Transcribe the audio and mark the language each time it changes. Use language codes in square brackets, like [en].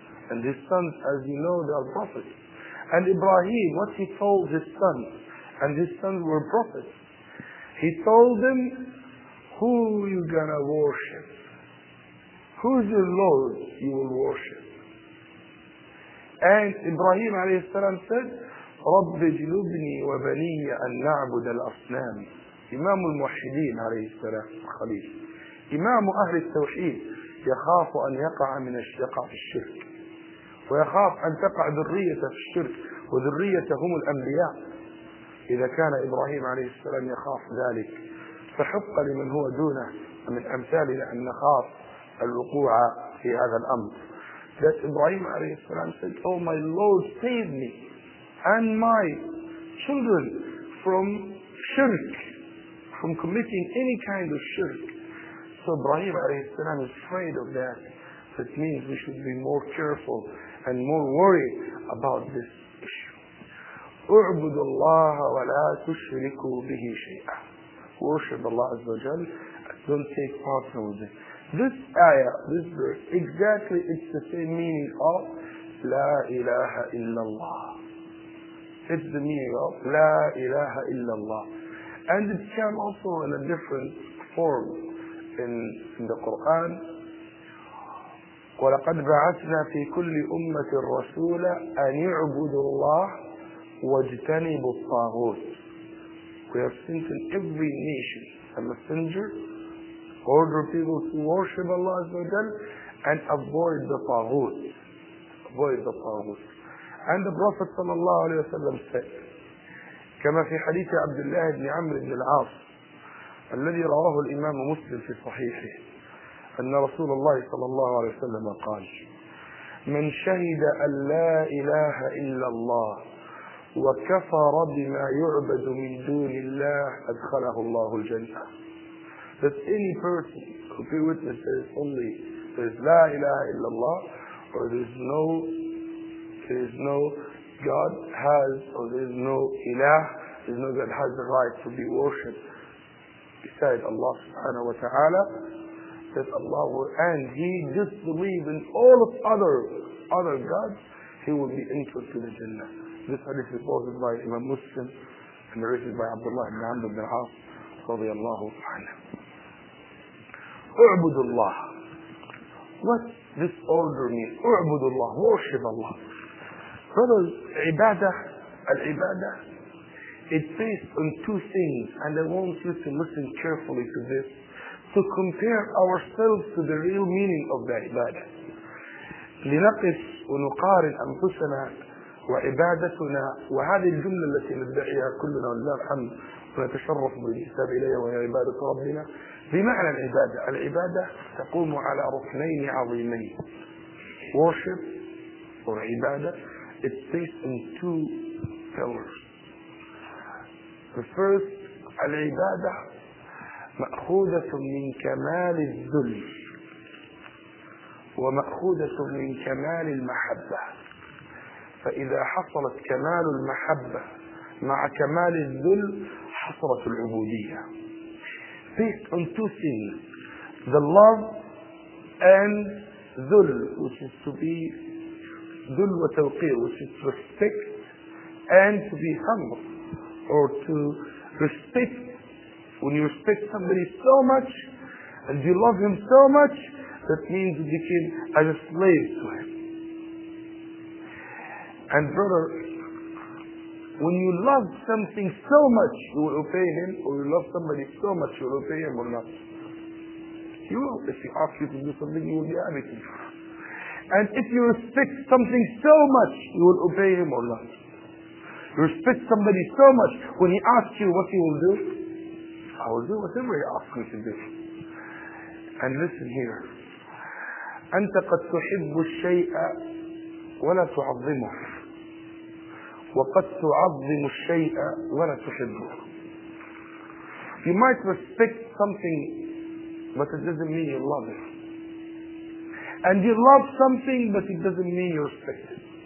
[en] And his sons, as you know, they are prophets. And Ibrahim, what he told his sons, and his sons were prophets. He told them, who are you going to worship? Who is your Lord you will worship? And Ibrahim alayhi salam said, [ar] رَبِّ جِلُبْنِي وَبَنِيَّ أَنْ نَعْبُدَ الْأَصْنَامِ. إمام الموحدين عليه السلام خليل، إمام أهل التوحيد، يخاف أن يقع من الشقاء في الشرك، ويخاف أن تقع ذرية في الشرك، وذرية هم الأنبياء. إذا كان إبراهيم عليه السلام يخاف ذلك، فحق لمن هو دونه من أمثالنا أن نخاف الوقوع في هذا الأمر. [en] That Ibrahim [ar] عليه السلام [en] said, Oh my Lord, save me and my children from shirk, from committing any kind of shirk. So Ibrahim alayhi salam is afraid of that. That means we should be more careful and more worried about this issue. [ar] اعبدوا الله ولا تشركوا به شيئا. [en] Worship Allah Azza wa Jal. Don't take part in it. This ayah, this verse, exactly it's the same meaning of [ar] لا إله إلا الله. [en] It's the meaning of [ar] لا إله إلا الله. [en] And it came also in a different form in the Quran. [ar] وَلَقَدْ بَعَثْنَا فِي كُلِّ أُمَّةٍ رَسُولًا أَنْ يَعْبُدُوا اللَّهَ وَاجْتَنِبُوا الطَّاغُوتَ. [en] We have sent in every nation a messenger, order people to worship Allah Azza wa Jal and avoid the طاغوت. Avoid the طاغوت. And the Prophet [ar] صلى الله عليه وسلم said, كما في حديث عبد الله بن عمرو بن العاص الذي رواه الإمام مسلم في صحيحه، أن رسول الله صلى الله عليه وسلم قال: من شهد أن لا إله إلا الله وكفر بما يعبد من دون الله أدخله الله الجنة. [en] that any person who be witness there is only, there is La ilaha illallah, or there is no God has, or there is no ilah, there is no God has the right to be worshipped beside Allah subhanahu wa ta'ala, that Allah will, and he disbelieve in all of other gods, he will be entered to the Jannah. This hadith is quoted by Imam Muslim and narrated by Abdullah ibn Amr ibn al-Aas radiallahu anhu. U'budu Allah. What this order means? U'budu Allah. Worship Allah. Brothers, ibadah, al-ibadah, it's based on two things, and I want you to listen carefully to this, to compare ourselves to the real meaning of the ibadah. [ar] لنقف ونقارن أنفسنا وعبادتنا وهذه الجملة التي ندعيها كلنا ولله الحمد ونتشرف بالإنساب إليها وهي عبادة ربنا. بمعنى العبادة، العبادة تقوم على ركنين عظيمين. [en] Worship or عبادة، it's based on two pillars. The first، [ar] العبادة مأخوذة من كمال الذل ومأخوذة من كمال المحبة. فإذا حصلت كمال المحبة مع كمال الذل حصلت العبودية. [en] Based on two things, the love and ذل, which is to be [ar] ذل وتوقير, [en] which is respect and to be humble, or to respect, when you respect somebody so much and you love him so much, that means you became as a slave to him. And brother, when you love something so much, you will obey him, or you love somebody so much, you will obey him or not. You will, if he asks you to do something, you will be happy to do. And if you respect something so much, you will obey him or not. You respect somebody so much, when he asks you what he will do, I will do whatever he asks me to do. And listen here. [ar] أنت قد تحب الشيء ولا تعظمه وقد تعظم الشيء ولا تحبه. [en] You might respect something, but it doesn't mean you love it. And you love something, but it doesn't mean you respect it.